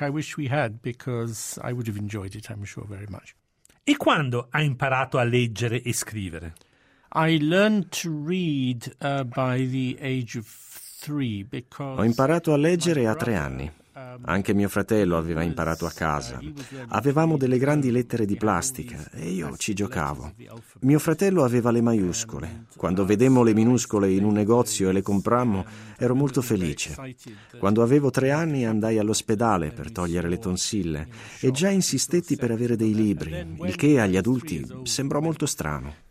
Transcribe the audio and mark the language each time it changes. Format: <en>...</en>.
<en>I wish we had because I would have enjoyed it, I'm sure, very much.</en> <it>E quando ha imparato a leggere e scrivere?</it> <en>I learned to read by the age of 3 because</en> <it>ho imparato a leggere a 3 anni. Anche mio fratello aveva imparato a casa. Avevamo delle grandi lettere di plastica e io ci giocavo. Mio fratello aveva le maiuscole. Quando vedemmo le minuscole in un negozio e le comprammo, ero molto felice. Quando avevo 3 anni andai all'ospedale per togliere le tonsille e già insistetti per avere dei libri, il che agli adulti sembrò molto strano.</it>